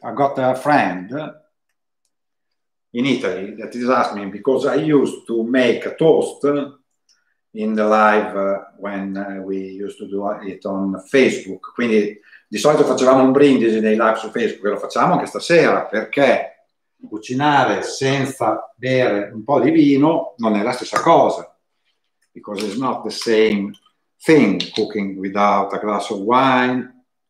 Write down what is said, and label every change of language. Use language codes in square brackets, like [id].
[en] I got a friend in Italy that is asking, because I used to make a toast in the live when we used to do it on Facebook. [it] Quindi di solito facevamo un brindisi nei live su Facebook, e lo facciamo anche stasera, perché cucinare senza bere un po' di vino non è la stessa cosa. [en] Because it's not the same thing cooking without a glass of wine.